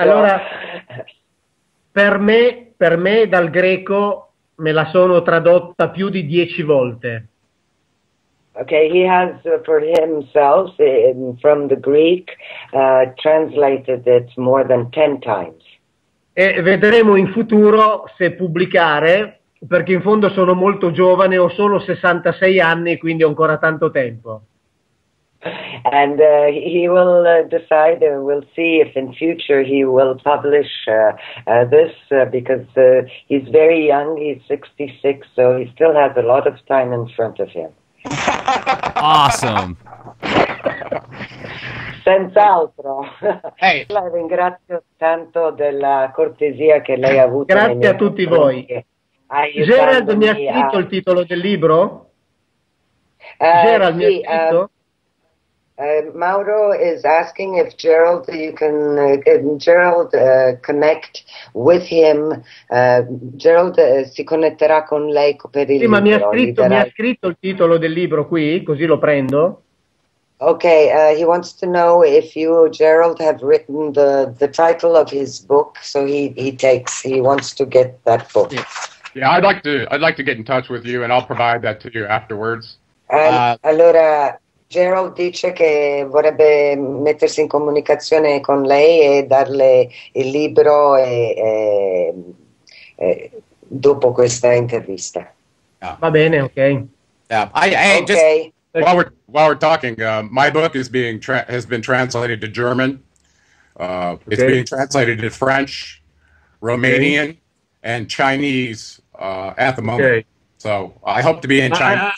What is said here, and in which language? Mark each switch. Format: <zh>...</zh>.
<it>Allora, per me dal greco me la sono tradotta più di 10 volte.</it> <en>Okay, he has for himself from the Greek translated it more than 10 times.</en> <it>E vedremo in futuro se pubblicare, perché in fondo sono molto giovane, ho solo 66 anni, quindi ho ancora tanto tempo.</it> <en>And he will decide, and we'll see if in future he will publish this, because he's very young, he's 66, so he still has a lot of time in front of him. Awesome.</en> <it>Senz'altro.</it> <en>Hey.</en> <it>La ringrazio tanto della cortesia che lei ha avuto. Grazie a tutti voi. Gerald mi ha scritto il titolo del libro? Gerald mi ha scritto?</it> <en>Mauro is asking if Gerald, you can Gerald connect with him.</en> <it>Gerald si connetterà con lei per il libro. Sì, ma mi ha scritto il titolo del libro qui, così lo prendo.</it> <en>Okay, he wants to know if you, Gerald, have written the title of his book, so he wants to get that book. Yeah, I'd like to get in touch with you, and I'll provide that to you afterwards.</en> <it>Allora, Gerald dice che vorrebbe mettersi in comunicazione con lei e darle il libro e dopo questa intervista. Yeah. Va bene, okay.</it> <en>Yeah, I okay. Just... While we're talking, my book is being has been translated to German. It's being translated to French, Romanian, and Chinese at the moment. Okay. So I hope to be in China.</en>